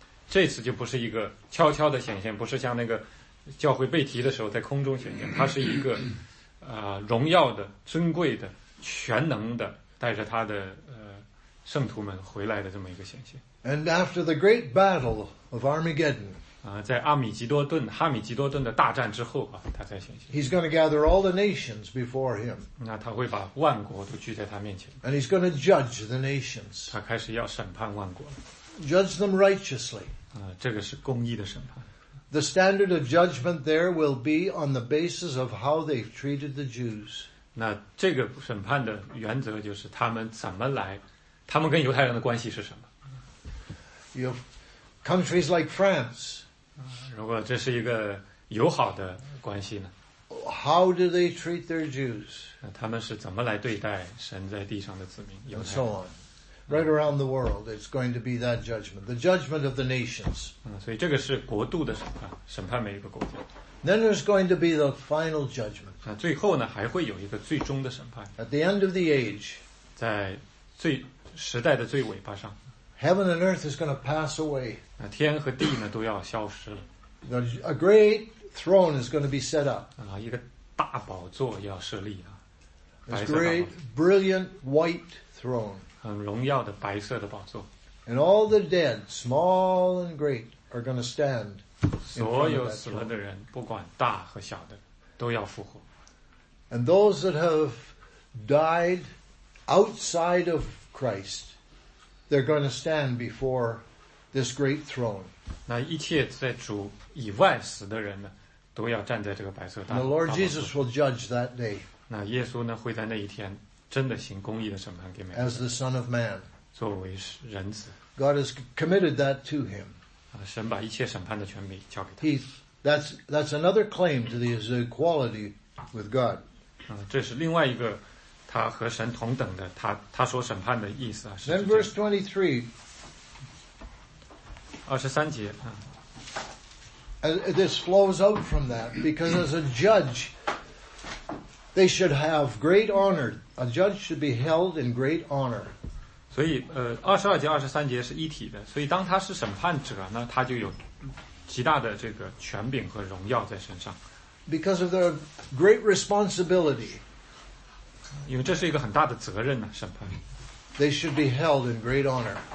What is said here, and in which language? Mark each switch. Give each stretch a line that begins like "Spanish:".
Chinese: 这次就不是一个悄悄的显现，不是像那个教会被提的时候在空中显现，它是一个荣耀的、尊贵的。全能的带着他的圣徒们回来的这么一个显现。
English: And after the great battle of Armageddon,
Chinese: 在哈米吉多顿的大战之后啊，他才显现。
English: He's going to gather all the nations before him.
Chinese: 那他会把万国都聚在他面前。
English: And he's going to judge the nations.
Chinese: 他开始要审判万国。
English: Judge them righteously.
Chinese: 这个是公义的审判。
English: The standard of judgment there will be on the basis of how they've treated the Jews.
Chinese: 那这个审判的原则就是他们怎么来，他们跟犹太人的关系是什么。
English: You have countries like France.
Chinese: 如果这是一个友好的关系呢
English: ？How do they treat their Jews?
Chinese: 那他们是怎么来对待神在地上的子民？
English: And so on. Right around the world, it's going to be that judgment, the judgment of the nations.
Chinese: 所以这个是国度的审判，审判每一个国家。
English: Then there's going to be the final judgment.
Chinese: 最后呢还会有一个最终的审判。
English: At the end of the age,
Chinese: 在最时代的最尾巴上。
English: Heaven and earth is going to pass away.
Chinese: 天和地呢都要消失了。
English: A great throne is going to be set up.
Chinese: 一个大宝座要设立啊。
English: A great brilliant white throne.
Chinese: 很荣耀的白色的宝座。
English: And all the dead, small and great, are going to stand.
Chinese: 所有死了的人不管大和小的都要复活。
English: And those that have died outside of Christ, they're going to stand before this great throne.
Chinese: 那一切在主以外死的人呢都要站在这个白色大宝座。
English: And the Lord Jesus will judge that day.
Chinese: 那耶稣呢会在那一天真的行公义的审判给每个人。
English: As the Son of Man.
Chinese: 作为人子。
English: God has committed that to him.
Chinese: 神把一切审判的权柄交给他。
English: That's another claim to the equality with God.
Chinese: 这是另外一个他和神同等的他所审判的意思啊。
English: Then verse 23.
Chinese: 23节。
English: This flows out from that because as a judge, they should have great honor. A judge should be held in great honor.
Chinese: 所以22节23节是一体的，所以当他是审判者呢，他就有极大的这个权柄和荣耀在身上。
English: Because of their great responsibility.
Chinese: 因为这是一个很大的责任呢，审判。
English: They should be held in great honor.